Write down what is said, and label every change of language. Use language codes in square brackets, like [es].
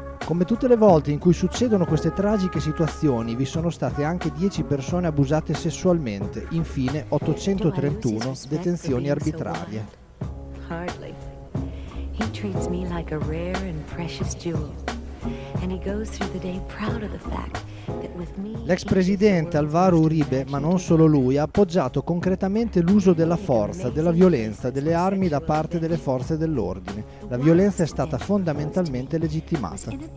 [it] come tutte le volte in cui succedono queste tragiche situazioni, vi sono state anche 10 persone abusate sessualmente, infine 831 detenzioni arbitrarie. [en] Hardly. He treats me like a rare and precious jewel. And he goes through the day proud of the fact. [it] L'ex presidente Álvaro Uribe, ma non solo lui, ha appoggiato concretamente l'uso della forza, della violenza, delle armi da parte delle forze dell'ordine. La violenza è stata fondamentalmente legittimata.